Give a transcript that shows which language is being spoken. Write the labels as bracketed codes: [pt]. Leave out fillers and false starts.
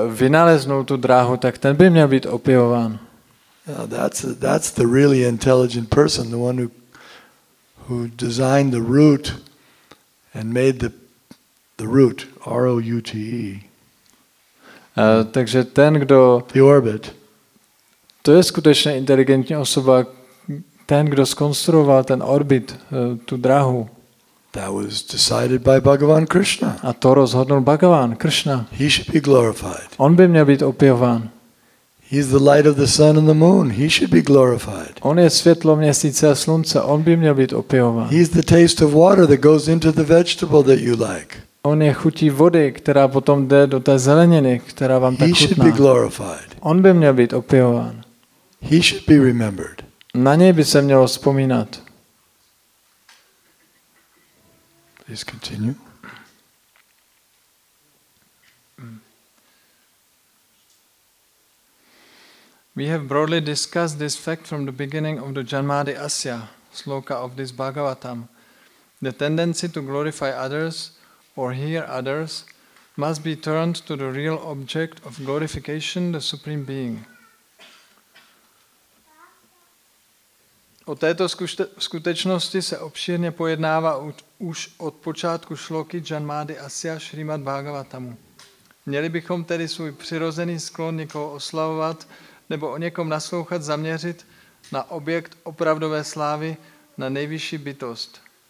[cs] vynaleznul tu dráhu, tak ten by měl být opěvován. [en] That's the really intelligent person, the one who designed the route and made the route, route. [cs] Takže ten, kdo... [en] The orbit. [cs] To je skutečně inteligentní osoba, ten, kdo zkonstruoval ten orbit, tu dráhu. [en] That was decided by Bhagavan Krishna. [cs] A to rozhodnul Bhagavan Krishna. [en] He should be glorified. [cs] On by měl být opěvován. [en] He is the light of the sun and the moon. He should be glorified. [cs] On je světlo měsíce a slunce. On by měl být opěvován. [en] He is the taste of water that goes into the vegetable that you like. [cs] On je chutí vody, která potom jde do té zeleniny, která vám tak chutná. [en] He should be glorified. [cs] On by měl být opěvován. [en] He should be remembered. [cs] Na něj by se mělo vzpomínat. [en] Please continue. We have broadly discussed this fact from the beginning of the Janmadi Asya sloka of this Bhagavatam. The tendency to glorify others or hear others must be turned to the real object of glorification, the Supreme Being. [cs] O této skutečnosti se obšírně pojednává už od počátku šloky Janmadi Asya Srimad Bhagavatamu. Měli bychom tedy svůj přirozený sklon někoho oslavovat nebo o někom naslouchat zaměřit na objekt opravdové slávy, na nejvyšší bytost.